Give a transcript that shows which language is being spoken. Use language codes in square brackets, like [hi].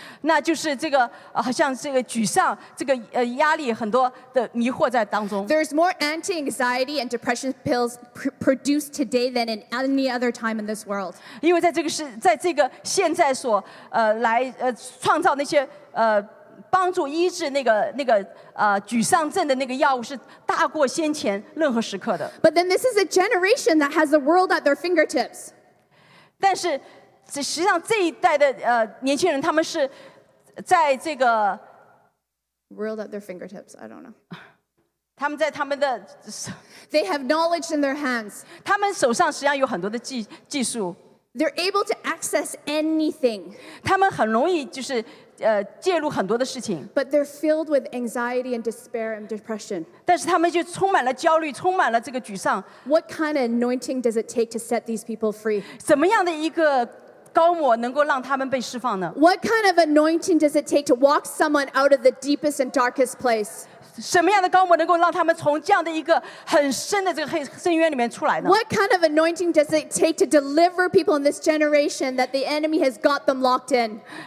[zh] 那就是这个, 好像这个沮丧, 这个, 压力, 很多的迷惑在当中。 [en] There's more anti-anxiety and depression pills produced today than in any other time in this world. [zh] 因为在这个是, 在这个现在所, 来, 创造那些, 帮助医治那个, 沮丧症的那个药物是大过先前任何时刻的。 [en] But then this is a generation that has the world at their fingertips. [zh] 但是, 实际上这一代的, 年轻人, 他们是, 在这个, [en] world at their fingertips, I don't know. [zh] 他们在他们的, [en] they have knowledge in their hands. [zh] 他们手上实际上有很多的技术。 [en] They're able to access anything. [zh] 他们很容易就是, 介入很多的事情。 [en] But they're filled with anxiety and despair and depression. [zh] 但是他们就充满了焦虑, 充满了这个沮丧。 [en] What kind of anointing does it take to set these people free? [zh] 怎么样的一个, [en] What kind of anointing does it take to walk someone out of the deepest and darkest place? What kind of anointing does it take to deliver people in this generation that the enemy has got them locked in?